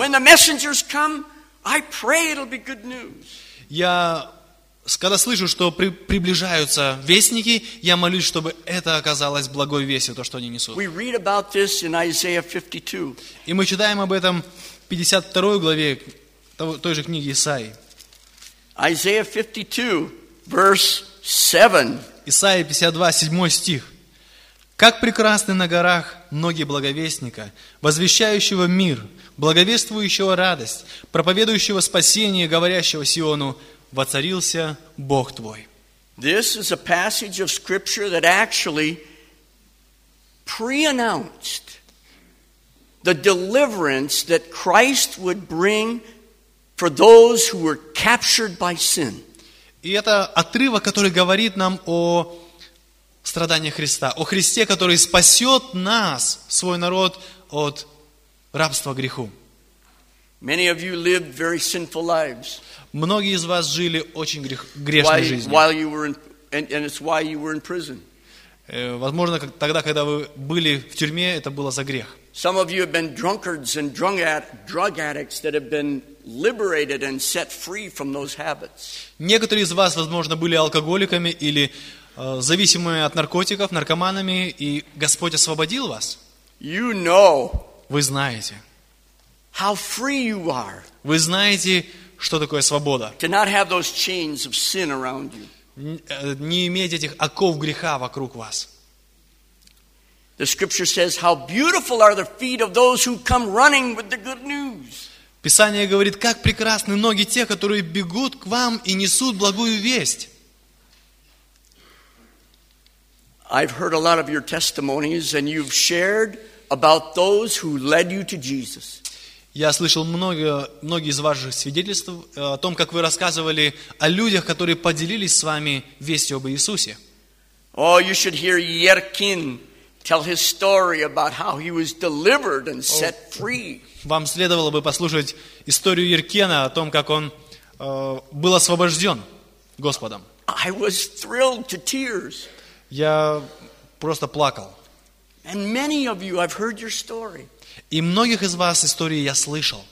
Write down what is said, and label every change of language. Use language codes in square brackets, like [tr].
[en] When the messengers come, I pray it'll be good news. [ru] Я когда слышу, что приближаются вестники, я молюсь, чтобы это оказалось благой вестью, то, что они несут. [en] We read about this in Isaiah 52. [ru] И мы читаем об этом в 52 главе той же книги Исаии. [en] Isaiah 52, verse 7. [ru] Исаия 52, 7 стих. «Как прекрасны на горах ноги благовестника, возвещающего мир, благовествующего радость, проповедующего спасение, говорящего Сиону, воцарился Бог твой». [en] This is a passage of scripture that actually pre-announced the deliverance that Christ would bring for those who were captured by sin. [ru] И это отрывок, который говорит нам о страдании Христа, о Христе, который спасет нас, свой народ, от рабства греху. [en] Many of you lived very sinful lives. [ru] Многие из вас жили очень грешной жизнью. [en] And it's why you were in prison. [ru] Возможно, тогда, когда вы были в тюрьме, это было за грех. [en] Some of you have been drunkards and drug addicts that have been liberated and set free from those habits. [ru] Некоторые из вас, возможно, были алкоголиками или зависимыми от наркотиков, наркоманами, и Господь освободил вас. [en] You know. [ru] Вы знаете. [en] How free you are. [ru] Вы знаете, что такое свобода. [en] To not have those chains of sin around you. [ru] Не иметь этих оков греха вокруг вас. [en] The scripture says, how beautiful are the feet of those who come running with the good news. [ru] Писание говорит, как прекрасны ноги тех, которые бегут к вам и несут благую весть. [en] I've heard a lot of your testimonies and you've shared about those who led you to Jesus. [ru] Я слышал многие из ваших свидетельств о том, как вы рассказывали о людях, которые поделились с вами вестью об Иисусе. [en] Oh, you should hear Yerkin tell his story about how he was delivered and set free. [ru] Вам следовало бы послушать историю Еркена о том, как он был освобожден Господом. [en] I was thrilled to tears. [ru] Я просто плакал. [en] And many of you, I've heard your story. [ru] И многих из вас истории я слышал.